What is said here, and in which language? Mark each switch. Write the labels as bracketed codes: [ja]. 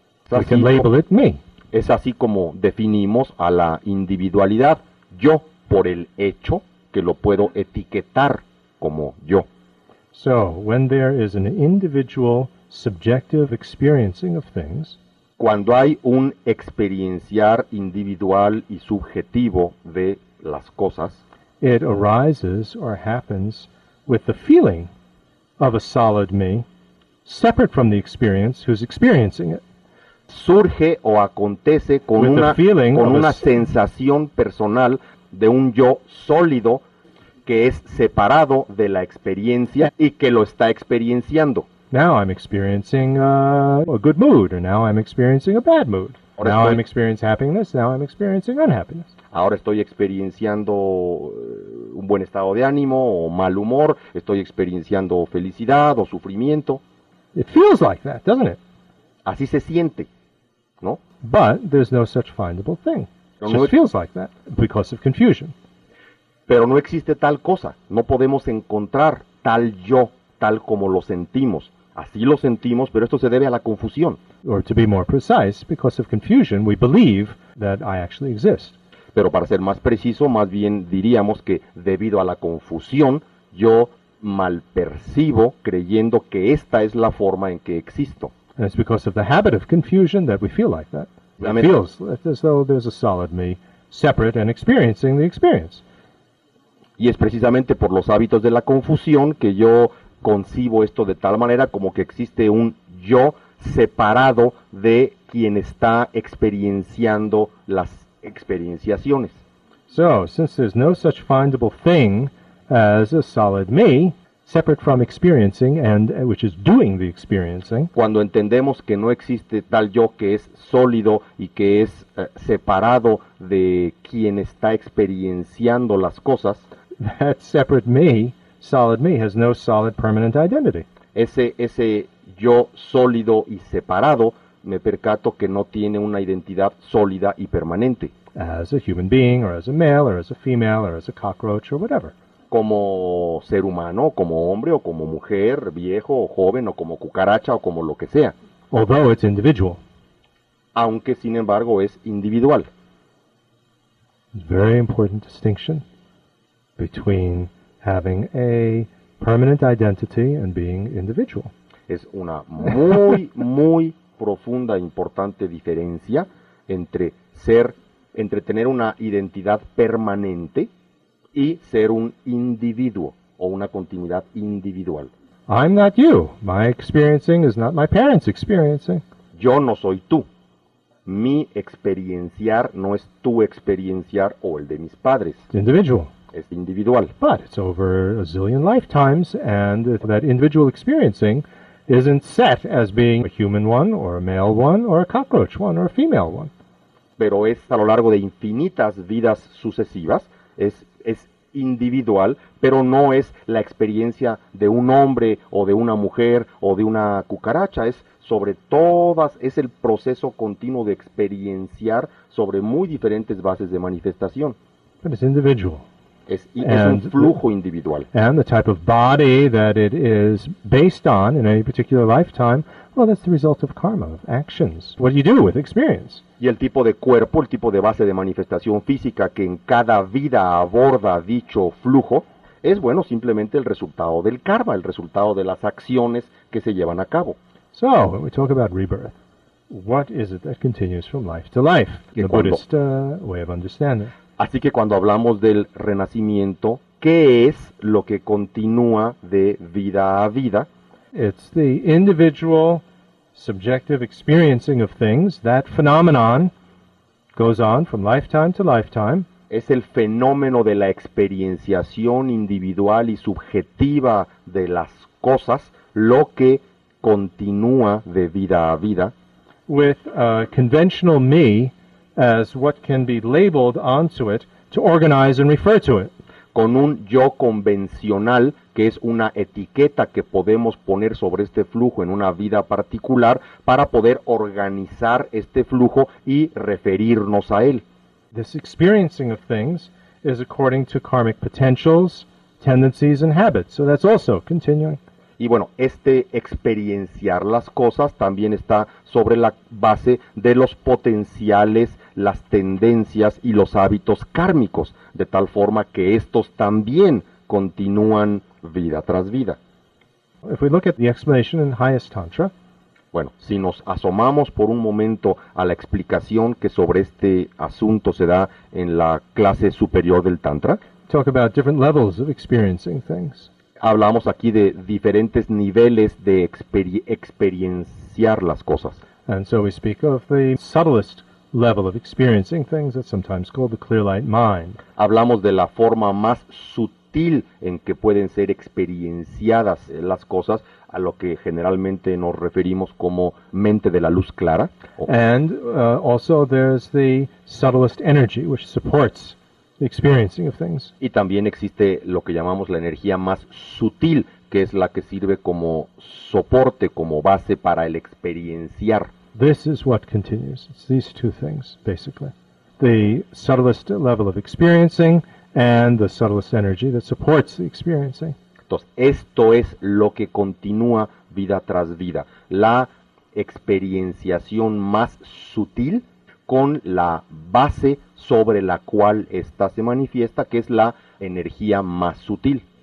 [en] We can label it me. [es] Es así como definimos a la individualidad, yo, por el hecho que lo puedo etiquetar como yo. [en] So, when there is an individual, subjective experiencing of things, [es] cuando hay un experienciar individual y subjetivo de las cosas, [en] it arises or happens with the feeling of a solid me, separate from the experience who's experiencing it. [es] Surge o acontece con una sensación personal de un yo sólido que es separado de la experiencia y que lo está experienciando. [en] Now I'm experiencing a good mood, or now I'm experiencing a bad mood. I'm experiencing happiness, now I'm experiencing unhappiness. [es] Ahora estoy experienciando un buen estado de ánimo o mal humor, estoy experienciando felicidad o sufrimiento. [en] It feels like that, doesn't it? [es] Así se siente, ¿no? [en] But there's no such findable thing. It feels like that because of confusion. [es] Pero no existe tal cosa, no podemos encontrar tal yo, tal como lo sentimos. Así lo sentimos, pero esto se debe a la confusión. [en] Or to be more precise, because of confusion, we believe that I actually exist. [es] Pero para ser más preciso, más bien diríamos que debido a la confusión, yo malpercibo creyendo que esta es la forma en que existo. [en] And it's because of the habit of confusion that we feel like that. It feels as though there's a solid me, separate and experiencing the experience. [es] Y es precisamente por los hábitos de la confusión que yo concibo esto de tal manera como que existe un yo separado de quien está experienciando las experienciaciones. [en] So, since there's no such findable thing as a solid me, separate from experiencing and which is doing the experiencing. [es] Cuando entendemos que no existe tal yo que es sólido y que es separado de quien está experienciando las cosas. [en] That separate me, solid me, has no solid permanent identity. [es] Ese yo sólido y separado, me percato que no tiene una identidad sólida y permanente. [en] As a human being, or as a male, or as a female, or as a cockroach, or whatever. [es] Como ser humano, como hombre, o como mujer, viejo, o joven, o como cucaracha, o como lo que sea. [en] Although it's individual. [es] Aunque, sin embargo, es individual. [en] Very important distinction between having a permanent identity and being individual. [es] Es una muy, muy profunda e importante diferencia entre ser, entre tener una identidad permanente y ser un individuo o una continuidad individual. [en] I'm not you. My experiencing is not my parents' experiencing. [es] Yo no soy tú. Mi experienciar no es tu experienciar o el de mis padres. [en] It's individual. [es] Es individual. [en] But it's over a zillion lifetimes, and that individual experiencing isn't set as being a human one, or a male one, or a cockroach one, or a female one. [es] Pero es a lo largo de infinitas vidas sucesivas, es individual, pero no es la experiencia de un hombre, o de una mujer, o de una cucaracha, es sobre todas, es el proceso continuo de experienciar sobre muy diferentes bases de manifestación. [en] But it's individual. [es] Es un flujo individual. [en] And the type of body that it is based on in any particular lifetime, well, that's the result of karma, of actions. What do you do with experience? [es] Y el tipo de cuerpo, el tipo de base de manifestación física que en cada vida aborda dicho flujo, es, bueno, simplemente el resultado del karma, el resultado de las acciones que se llevan a cabo. [en] So, when we talk about rebirth, what is it that continues from life to life? The Buddhist way of understanding. [es] Así que cuando hablamos del renacimiento, ¿qué es lo que continúa de vida a vida? [en] It's the individual subjective experiencing of things. That phenomenon goes on from lifetime to lifetime. [es] Es el fenómeno de la experienciación individual y subjetiva de las cosas, lo que continúa de vida a vida. [en] With a conventional me as what can be labeled onto it to organize and refer to it. [es] Con un yo convencional, que es una etiqueta que podemos poner sobre este flujo en una vida particular para poder organizar este flujo y referirnos a él. [en] This experiencing of things is according to karmic potentials, tendencies, and habits. So that's also continuing. [es] Y bueno, este experienciar las cosas también está sobre la base de los potenciales, las tendencias y los hábitos kármicos, de tal forma que estos también continúan vida tras vida. [en] If we look at the explanation in highest tantra, [es] bueno, si nos asomamos por un momento a la explicación que sobre este asunto se da en la clase superior del tantra, [en] talk about different levels of experiencing things. [es] Hablamos aquí de diferentes niveles de experienciar las cosas. [en] And so we speak of the subtlest level of experiencing things, that's sometimes called the clear light mind. [es] Hablamos de la forma más sutil en que pueden ser experienciadas las cosas, a lo que generalmente nos referimos como mente de la luz clara. [en] And also there's the subtlest energy which supports the experiencing of things. [es] Y también existe lo que llamamos la energía más sutil, que es la que sirve como soporte, como base para el experienciar. [en] This is what continues. It's these two things, basically. The subtlest level of experiencing and the subtlest energy that supports the experiencing. [es] Entonces, esto es lo que continúa vida tras vida. La experienciación más sutil con la base sobre la cual esta se manifiesta, que es la energía más sutil.